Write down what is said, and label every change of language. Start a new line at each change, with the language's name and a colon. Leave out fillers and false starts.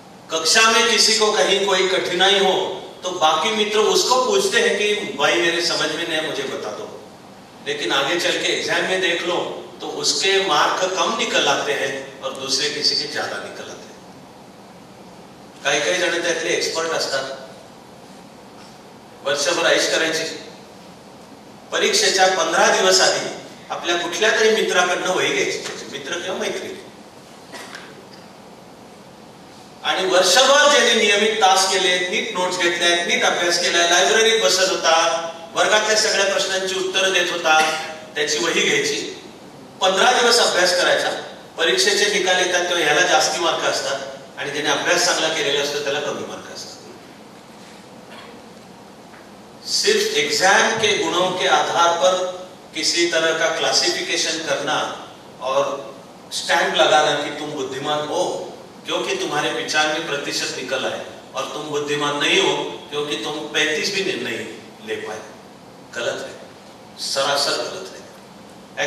Hindi: कक्षा में किसी को कहीं कोई कठिनाई हो तो बाकी मित्र उसको पूछते हैं कि भाई मेरे समझ में नहीं, मुझे बता दो, लेकिन आगे चल के एग्जाम में देख लो तो उसके मार्क कम निकल आते हैं और दूसरे किसी के ज्यादा निकल आते हैं। कई कई जने तो इतने एक्सपर्ट
Marathi: असतात, वर्षभर ऐश करायची, परीक्षेच्या 15 दिवस आधी आपल्या कुठल्या तरी मित्राकडनं वही घ्यायची, मित्र किंवा मैत्रीण, आणि वर्षभर जे नियमित तास केले, नीट नोट्स घेतले, नीट अभ्यास केला, लायब्ररीत बसत होता, वर्गातल्या सगळ्या प्रश्नांची उत्तरं देत होता, त्याची वही घ्यायची, 15 दिवस अभ्यास करायचा, परीक्षेचे निकाल येतात तेव्हा ह्याला जास्त मार्क असतात आणि ज्याने अभ्यास चांगला केलेला असतो त्याला कमी मार्क असतात।
Hindi: सिर्फ एग्जाम के गुणों के आधार पर किसी तरह का क्लासिफिकेशन करना और स्टैंप लगाना कि तुम बुद्धिमान हो क्योंकि तुम्हारे 95% निकल आए और तुम बुद्धिमान नहीं हो क्योंकि तुम 35 भी निर्णय ले पाए, गलत है, सरासर गलत है।